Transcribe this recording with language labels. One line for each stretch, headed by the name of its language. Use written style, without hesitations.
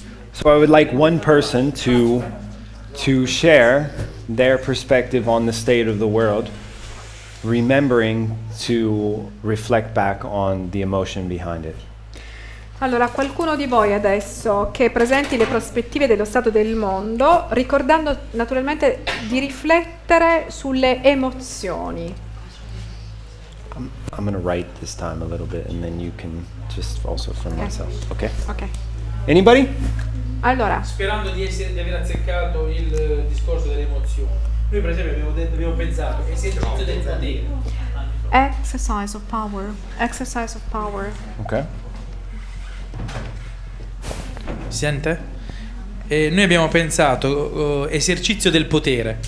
English: So I would like one person to share their perspective on the state of the world, remembering to reflect back on the emotion behind it.
Italian: Allora, qualcuno di voi adesso che presenti le prospettive dello stato del mondo, ricordando naturalmente di riflettere sulle emozioni.
English: I'm going to write this time a little bit, and then you can just also from myself. Okay? Okay. Anybody?
Italian: Allora. Sperando di aver azzeccato il discorso delle emozioni. Noi per esempio abbiamo pensato che si è trovato del potere.
English: Exercise of power. Exercise of power. Ok.
Italian: Sente? Noi abbiamo pensato esercizio del potere.